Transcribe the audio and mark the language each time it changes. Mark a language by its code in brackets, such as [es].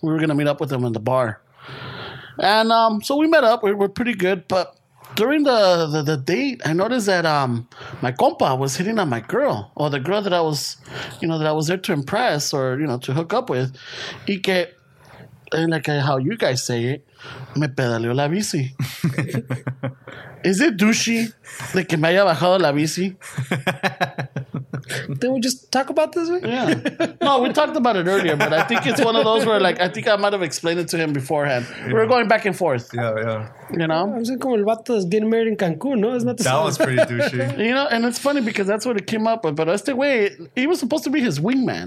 [en] We were gonna meet up with him in the bar. And so we met up, we were pretty good, but during the date I noticed that my compa was hitting on my girl, or the girl that I was, you know, that I was there to impress or, you know, to hook up with. He kept, and like how you guys say it, [es] me pedaleo la bici. [en] Is it douchey [es] de que me haya bajado la bici? [en] Didn't we just talk about this? Right? Yeah. No, we talked about it earlier, but I think it's one of those where, like, I think I might have explained it to him beforehand. Yeah. We're going back and forth. Yeah, yeah. You know? I'm saying [es] como el vato [en] is getting married in Cancun, no? It's not the that same. Was pretty douchey. You know, and it's funny because that's what it came up with, but [es] este güey, [en] he was supposed to be his wingman.